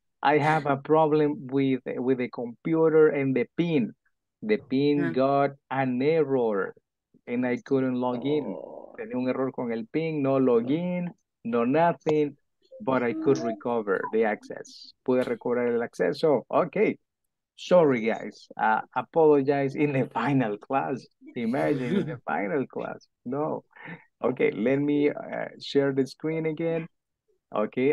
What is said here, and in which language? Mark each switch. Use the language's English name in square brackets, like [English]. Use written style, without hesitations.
[English] I have a problem with the computer and the PIN. The PIN got an error and I couldn't log in. [Spanish] Tenía un error con el PIN, no login. [English] No, nothing, but I could recover the access. [Spanish] Pude recobrar el acceso. Okay. [English] Sorry, guys. Apologize in the final class. Imagine in the final class. No. Okay. Let me share the screen again. Okay.